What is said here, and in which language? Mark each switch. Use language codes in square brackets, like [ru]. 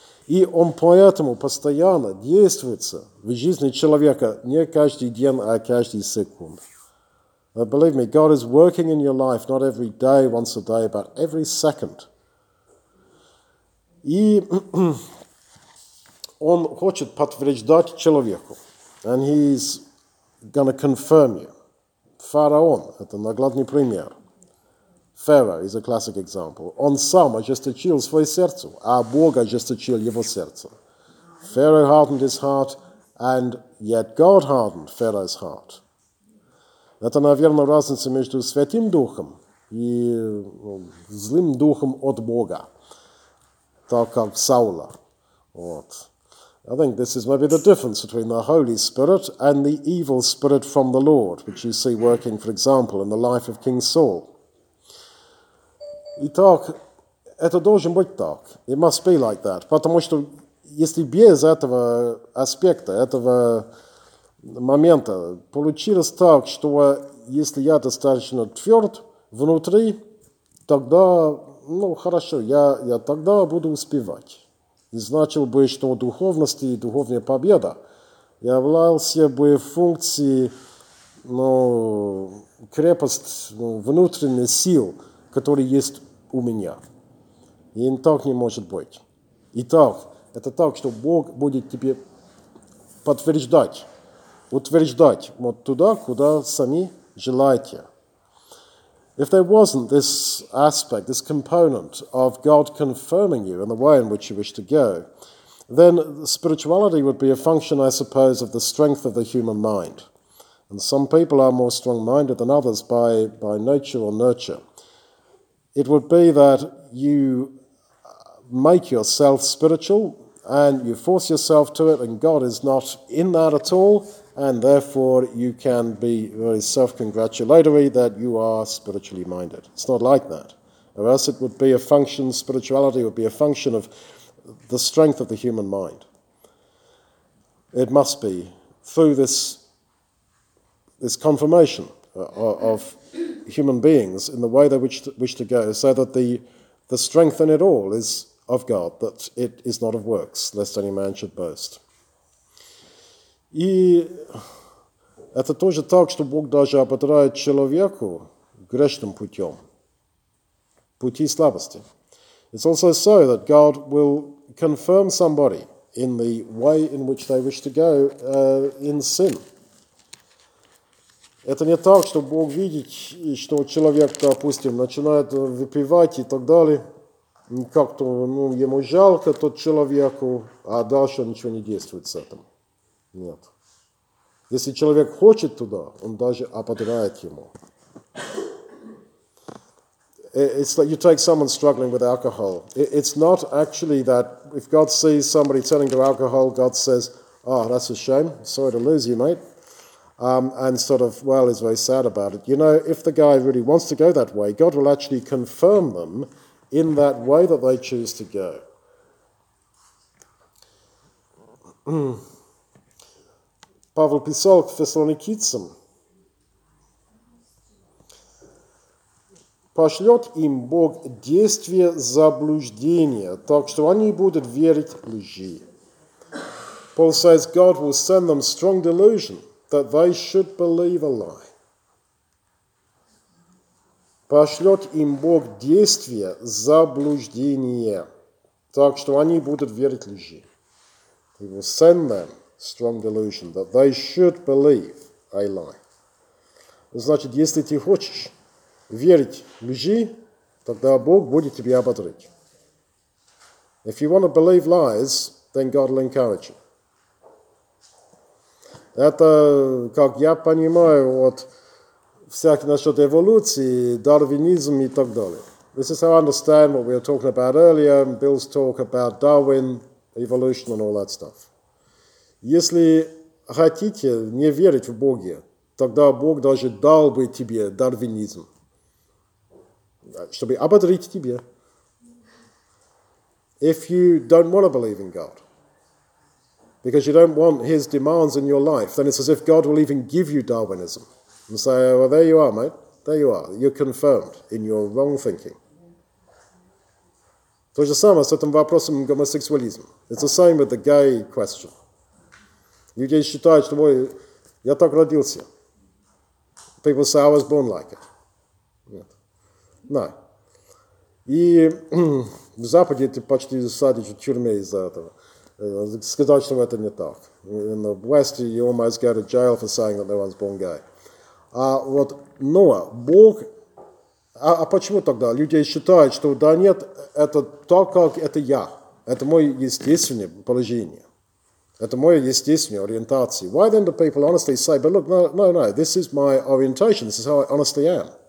[ru] И он поэтому постоянно действуется в жизни человека не каждый день, а каждый секунд. [en] Believe me, God is working in your life, not every day, once a day, but every second. [ru] И он хочет подтверждать человеку, [en] and he's going to confirm you. [ru] Фараон – это наглядный пример. [en] Pharaoh is a classic example. [ru] Он сам ожесточил свое сердце, а Бог ожесточил его сердце. [en] Pharaoh hardened his heart, and yet God hardened Pharaoh's heart. [ru] Это, наверное, разница между Святым Духом и злым Духом от Бога, так как Саула. Вот. [en] I think this is maybe the difference between the Holy Spirit and the evil spirit from the Lord, which you see working, for example, in the life of King Saul. [ru] Итак, это должен быть так. [en] It must be like that. [ru] Потому что если без этого аспекта, этого момента, получилось так, что если я достаточно тверд внутри, тогда, ну, хорошо, я тогда буду успевать. И значил бы, что духовность и духовная победа являлся бы функцией, ну, крепость, ну, внутренних сил, которые есть у меня. И так не может быть. Итак, это так, что Бог будет тебе подтверждать, утверждать вот туда, куда сами желаете. [en] If there wasn't this aspect, this component of God confirming you in the way in which you wish to go, then spirituality would be a function, I suppose, of the strength of the human mind. And some people are more strong-minded than others by nature or nurture. It would be that you make yourself spiritual and you force yourself to it, and God is not in that at all. And therefore, you can be very self-congratulatory that you are spiritually minded. It's not like that. Or else it would be a function, spirituality would be a function of the strength of the human mind. It must be through this confirmation of human beings in the way they wish to go, so that the strength in it all is of God, that it is not of works, lest any man should boast. [ru] И это тоже так, что Бог даже ободряет человеку грешным путем, пути слабости. [en] It's also so that God will confirm somebody in the way in which they wish to go in sin. [ru] Это не так, что Бог видит, и что человек, допустим, начинает выпивать и так далее. Как-то ну, ему жалко тот человеку, а дальше ничего не действует с этим. Нет. Если человек хочет туда, он даже ободряет ему. [en] It's like you take someone struggling with alcohol. It's not actually that if God sees somebody turning to alcohol, God says, oh, that's a shame. Sorry to lose you, mate. And sort of, well, he's very sad about it. You know, if the guy really wants to go that way, God will actually confirm them in that way that they choose to go. [ru] Павел писал к фессалоникийцам. Пошлет им Бог действие заблуждения, так что они будут верить лжи. [en] Paul says God will send them strong delusion that they should believe a lie. [ru] Пошлет им Бог действие заблуждения, так что они будут верить лжи. [en] He will send them strong delusion that they should believe a lie. [ru] Значит, если ты хочешь верить лжи, тогда Бог будет тебя ободрить. [en] If you want to believe lies, then God will encourage you. [ru] Это, как я понимаю, вот всякий насчет эволюции, дарвинизм и так далее. [en] This is how I understand what we were talking about earlier, Bill's talk about Darwin, evolution and all that stuff. [ru] Если хотите не верить в Бога, тогда Бог даже дал бы тебе дарвинизм, чтобы ободрить тебя. [en] If you don't want to believe in God, because you don't want his demands in your life, then it's as if God will even give you Darwinism and say, well, there you are, mate, there you are. You're confirmed in your wrong thinking. [ru] То же самое с этим вопросом гомосексуализма. [en] It's the same with the gay question. [ru] Люди считают, что ой, я так родился. [en] People say, I was born like it. [ru] Нет. [en] No. [ru] И в Западе ты почти садишь в тюрьме из-за этого. Сказать, что это не так. [en] In the West, you almost go to jail for saying that no one's born gay. [ru] Вот, но Бог... А почему тогда люди считают, что да нет, это так, как это я. Это мое естественное положение. Это мое естественное ориентация. [en] Why then do people honestly say, but look, no, this is my orientation, this is how I honestly am.